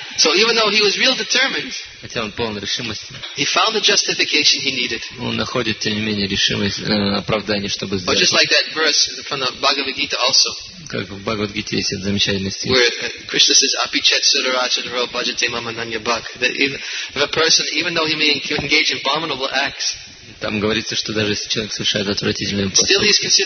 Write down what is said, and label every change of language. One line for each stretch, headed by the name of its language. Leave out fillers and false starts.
English: So even though he was real determined,
Russian: хотя он полон решимости,
English: he found the justification he needed.
Russian: Он находит, тем не менее, решимость, оправдание, чтобы сделать.
English: Or just like that verse from the Bhagavad Gita also.
Russian: Как в Бхагавад Гите есть этот замечательный стих.
English: Where Krishna says,
Sanskrit: "Apichet sudarachadaro bhajate mam ananya bhak."
English: That if a person, even though he may engage in abominable acts,
Russian: там говорится, что даже если человек совершает отвратительные поступки,